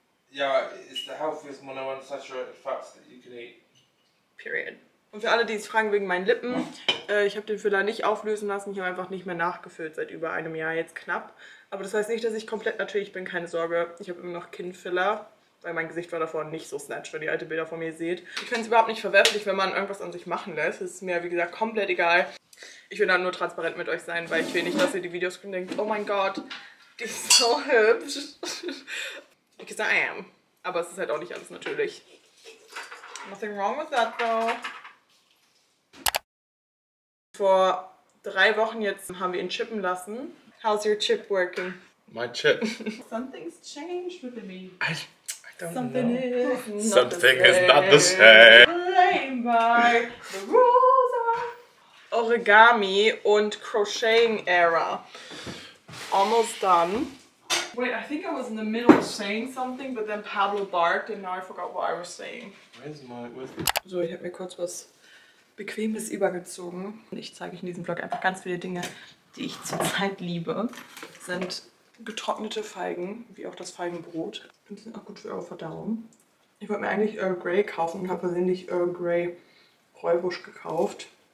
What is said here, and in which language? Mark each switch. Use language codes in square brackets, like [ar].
[en] Ja, it's the healthiest monounsaturated fats that you can eat. Period. [de] Und für alle, die sich fragen wegen meinen Lippen, ich habe den Füller nicht auflösen lassen, ich habe einfach nicht mehr nachgefüllt seit über einem Jahr, jetzt knapp. Aber das heißt nicht, dass ich komplett natürlich bin, keine Sorge, ich habe immer noch Kinnfiller, weil mein Gesicht war davor nicht so snatched, wenn ihr alte Bilder von mir seht. Ich finde es überhaupt nicht verwerflich, wenn man irgendwas an sich machen lässt, es ist mir wie gesagt komplett egal. Ich will dann nur transparent mit euch sein, weil ich will nicht, dass ihr die Videos und denkt, oh mein Gott, die ist so hübsch. [en] Because I am. [de] Aber es ist halt auch nicht alles natürlich. [en] Nothing wrong with that though. [de] Vor 3 Wochen jetzt haben wir ihn chippen lassen. [en] How's your chip working? My chip. Something's changed with me. I don't know. Something is not the same. Blame by the rules of Origami und Crocheting Era. Almost done. Wait, I think I was in the middle of saying something, but then Pablo barked and now I forgot what I was saying. [de] So, ich hab mir kurz was Bequemes übergezogen. Ich zeige euch in diesem Vlog einfach ganz viele Dinge, die ich zurzeit liebe. Sind getrocknete Feigen, wie auch das Feigenbrot. Die sind auch gut für eure Verdauung. Ich wollte mir eigentlich Earl Grey kaufen und habe persönlich Earl Grey Rooibos gekauft.